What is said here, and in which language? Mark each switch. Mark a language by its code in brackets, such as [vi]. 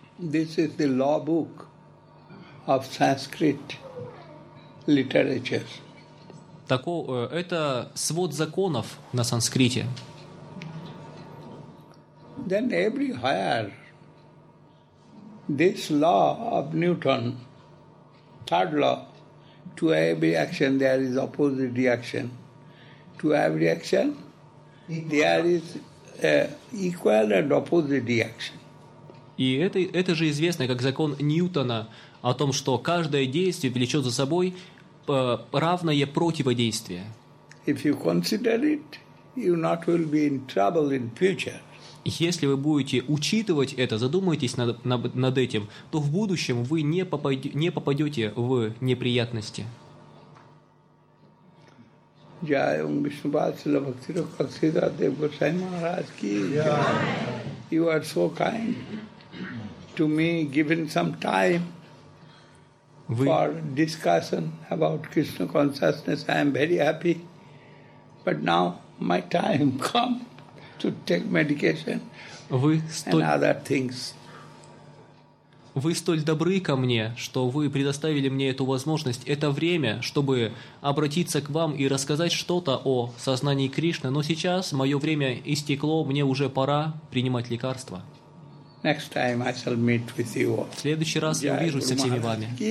[en] This is the law book of Sanskrit literature. [ru] Это свод законов на санскрите. [en] Then every higher. This law of Newton, third law, to every action there is opposite reaction. To every action, there is equal and opposite reaction. [ru] И это же известно как закон Ньютона о том, что каждое действие влечет за собой равное противодействие. [en] If you consider it, you not will be in trouble in future. [ru] Если вы будете учитывать это, задумайтесь над этим, то в будущем вы не попадете в неприятности. [hi] Jai Om Vishnu Vatsala Bhakti Rakshita Dev Gosai Maharaj ki. [en] You are so kind to me, given some time for discussion about Krishna consciousness. I am very happy. But now my time come. To take medication and other things. [ru] вы столь добры ко мне, что вы предоставили мне эту возможность, это время, чтобы обратиться к вам и рассказать что-то о сознании Кришны. Но сейчас мое время истекло, мне уже пора принимать лекарства. [en] Next time I shall meet with you. [ru] В следующий раз я увижусь со всеми вами.